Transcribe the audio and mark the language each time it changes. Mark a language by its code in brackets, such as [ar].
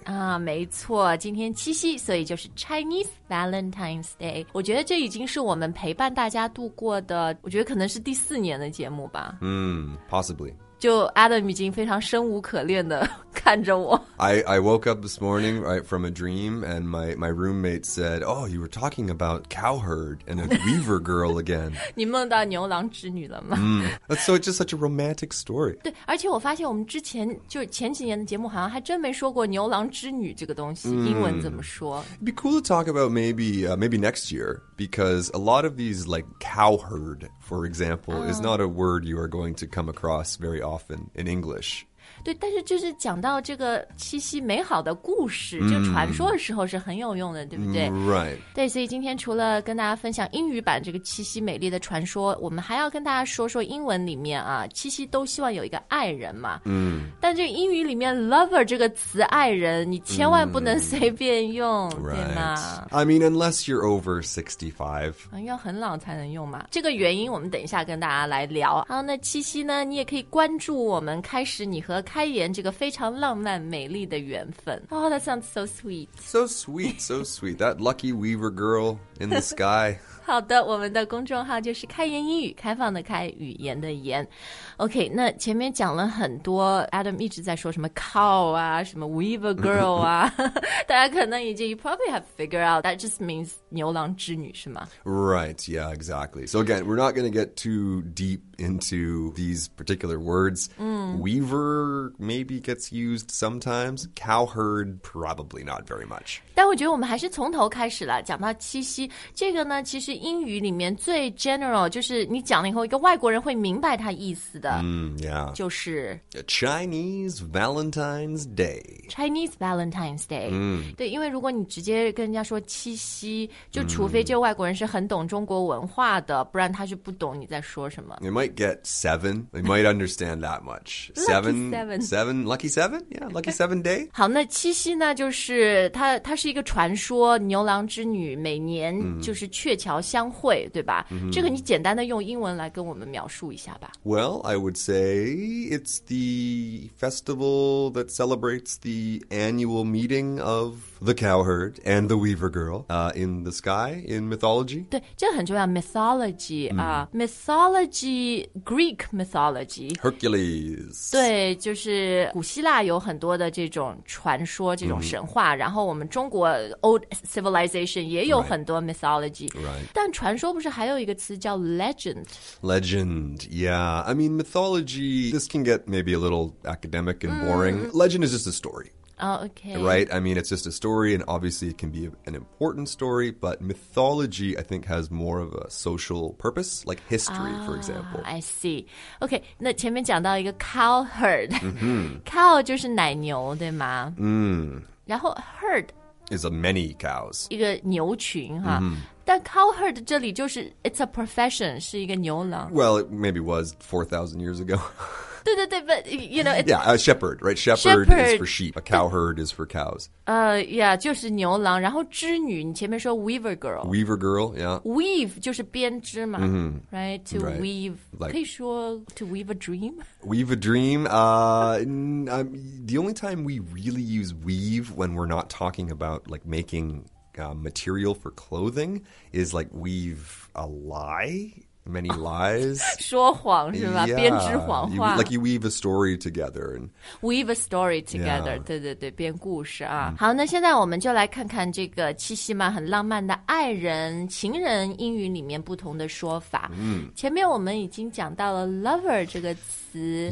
[zh] 啊，没错，今天七夕，所以就是 [en] Chinese Valentine's Day. [zh] 我觉得这已经是我们陪伴大家度过的，我觉得可能是第四年的节目吧。 [en] Possibly. [zh] 就 Adam 已经非常生无可恋的看着我。 [en] I woke up this morning right from a dream, and my roommate said, "Oh, you were talking about cowherd and a weaver girl again." [zh] 你梦到牛郎织女了吗？ [en] That's so just such a romantic story. [zh] 对，而且我发现我们之前就前几年的节目好像还真没说过牛郎织女这个东西，英文怎么说 [en] ？It'd be cool to talk about maybe next year, because a lot of these like cowherd, for example, is not a word you are going to come across very often in English. [zh] 对，但是就是讲到这个七夕美好的故事，就传说的时候是很有用的，对不对？ [en] Right. [zh] 对，所以今天除了跟大家分享英语版这个七夕美丽的传说，我们还要跟大家说说英文里面啊，七夕都希望有一个爱人嘛。但这英语里面 lover 这个词，爱人，你千万不能随便用，对吗？ [en] I mean, unless you're over 65. [zh] 要很老才能用嘛。这个原因我们等一下跟大家来聊。好，那七夕呢，你也可以关注我们开始你和开言这个非常浪漫美丽的缘分。 [en] Oh, that sounds so sweet. So sweet, so sweet. That lucky weaver girl in the sky. [zh] 好的，我们的公众号就是开言英语，开放的开，语言的言。 OK, 那前面讲了很多， Adam 一直在说什么 cow 啊，什么 weaver girl 啊，大家可能已经 [en] you probably have figured out that just means [zh] 牛郎织女是吗？ [en] Right, yeah, exactly. So again, we're not going to get too deep into these particular words. Weaver maybe gets used sometimes. Cowherd, probably not very much. [zh] 但我觉得我们还是从头开始了，讲到七夕，这个呢，其实英语里面最 general, 就是你讲了以后，一个外国人会明白它意思。就是 [en] Chinese Valentine's Day. Chinese Valentine's Day. [zh] 对，因为如果你直接跟人家说七夕，就除非这外国人是很懂中国文化的，不然他是不懂你在说什么。 [en] You might get seven. You might understand that much. Seven. Lucky seven. Yeah, lucky seven day. [zh] 好，那七夕呢，就是它是一个传说，牛郎织女每年就是鹊桥相会，对吧？这个你简单的用英文来跟我们描述一下吧。 [en] Well, I would say it's the festival that celebrates the annual meeting of the cowherd and the weaver girl in the sky in mythology. [zh] 对，这很重要 mythology. [en] Mythology, Greek mythology. Hercules. [zh] 对，就是古希腊有很多的这种传说，这种神话。然后我们中国 old civilization 也有很多 mythology. [en] Right. [zh] 但传说不是还有一个词叫 legend? [en] Legend, yeah. I mean, mythology, this can get maybe a little academic and boring. Legend is just a story. Oh, okay. Right? I mean, it's just a story, and obviously it can be an important story, but mythology, I think, has more of a social purpose, like history, for example. I see. [zh] Okay, 那前面讲到一个 cow herd. Cow 就是奶牛，对吗？然后 herd [en] is a many cows. [zh] 一个牛群哈。但 cowherd 这里就是 [en] it's a profession, [zh] 是一个牛郎。 [en] Well, it maybe was 4,000 years ago. [zh] 对对对 [en] but you know, it's... Yeah, a shepherd, right? Shepherd is for sheep. A cowherd is for cows. Yeah, [zh] 就是牛郎。然后织女，你前面说 weaver girl. [en] Weaver girl, yeah. [zh] Weave 就是编织嘛、mm-hmm. [en] right? To right. weave. Like, [zh] 可以说 [en] to weave a dream? Weave a dream? the only time we really use weave when we're not talking about like makingmaterial for clothing is like weave a lie, many lies. [zh] 说谎是吧？ [en] Yeah, [zh] 编织谎话。 [en] Like you weave a story together. And, weave a story together.、Yeah. [zh] 对对对，编故事啊。好，那现在我们就来看看这个七夕嘛，很浪漫的爱人、情人英语里面不同的说法。前面我们已经讲到了 lover 这个词。